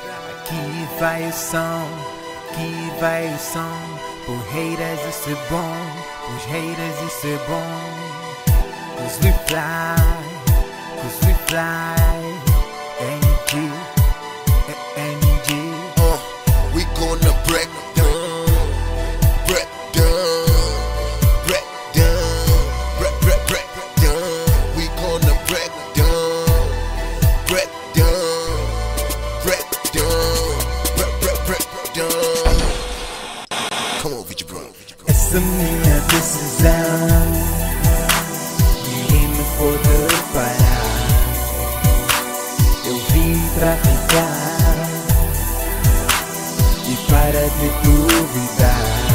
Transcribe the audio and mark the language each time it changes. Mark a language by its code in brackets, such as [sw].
[pt] Aqui vai o som, aqui vai o som. Por haters isso é bom, os haters isso é bom. [en] Cause we fly, cause we fly. NG, NG. We gonna break down, break down, break down, break, break, break down. We gonna break down, break down, break down, break, break, break down. Come on, Vigi Brown. [pt] Essa minha decisão, ninguém me pode parar. Eu vim pra ficar e para de duvidar.